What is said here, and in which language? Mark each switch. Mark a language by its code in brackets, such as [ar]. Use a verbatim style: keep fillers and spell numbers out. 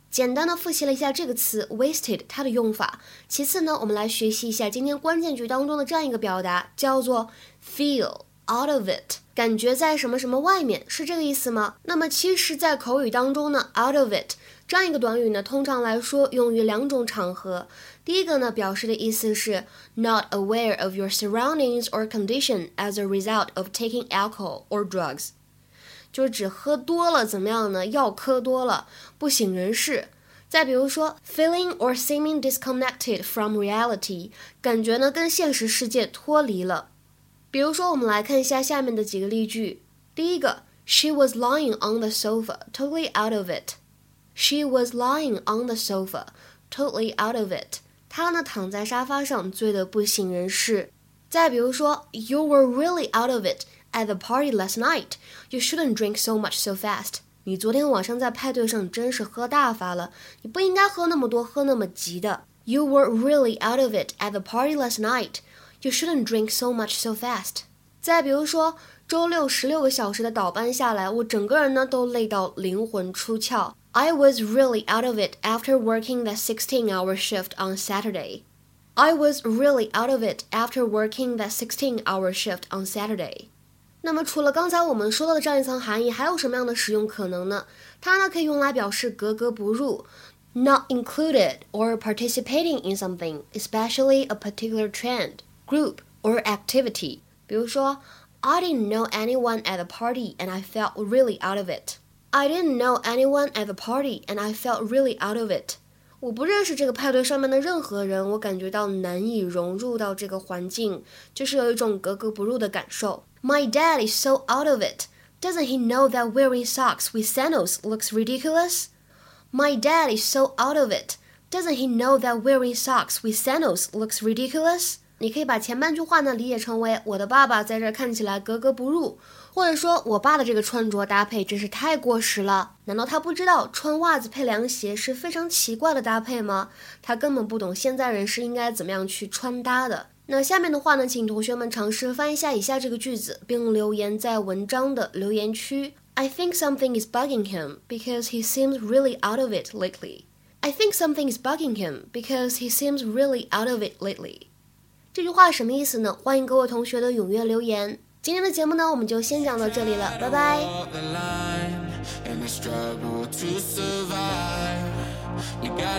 [zh] 简单的复习了一下这个词 wasted 它的用法。其次呢，我们来学习一下今天关键句当中的这样一个表达，叫做 feel out of it， 感觉在什么什么外面，是这个意思吗？那么其实在口语当中呢， out of it 这样一个短语呢，通常来说用于两种场合。 [en] 第一个呢，表示的意思是 not aware of your surroundings or condition as a result of taking alcohol or drugs， [zh] 就是只喝多了怎么样呢，药嗑多了不省人事。再比如说 [en] feeling or seeming disconnected from reality， [zh] 感觉呢跟现实世界脱离了。比如说我们来看一下下面的几个例句。 [en] 第一个 She was lying on the sofa, totally out of it She was lying on the sofa, totally out of it [zh] 她呢躺在沙发上醉得不省人事。再比如说 [en] You were really out of it At the party last night, you shouldn't drink so much so fast. [zh] 你昨天晚上在派对上真是喝大发了，你不应该喝那么多，喝那么急的。 [en] You were really out of it at the party last night. You shouldn't drink so much so fast. [zh] 再比如说，周六十六个小时的倒班下来，我整个人呢都累到灵魂出窍。 [en] I was really out of it after working that sixteen-hour shift on Saturday. I was really out of it after working that sixteen-hour shift on Saturday. [zh] 那么除了刚才我们说到的这样一层含义，还有什么样的使用可能呢？它呢可以用来表示格格不入 [en] not included or participating in something, especially a particular trend, group, or activity. [zh] 比如说 [en] I didn't know anyone at the party and I felt really out of it. I didn't know anyone at the party, and I felt really out of it. [zh] 我不认识这个派对上面的任何人，我感觉到难以融入到这个环境，就是有一种格格不入的感受。 [en] My dad is so out of it. Doesn't he know that wearing socks with sandals looks ridiculous? My dad is so out of it. Doesn't he know that wearing socks with sandals looks ridiculous? [zh] 你可以把前半句话呢理解成为我的爸爸在这看起来格格不入，或者说我爸的这个穿着搭配真是太过时了，难道他不知道穿袜子配凉鞋是非常奇怪的搭配吗？他根本不懂现在人是应该怎么样去穿搭的。那下面的话呢，请同学们尝试翻译一下以下这个句子，并留言在文章的留言区。 [en] I think something is bugging him because he seems really out of it lately. I think something is bugging him because he seems really out of it lately. [zh] 这句话什么意思呢？欢迎各位同学的踊跃留言。今天的节目呢，我们就先讲到这里了，拜拜。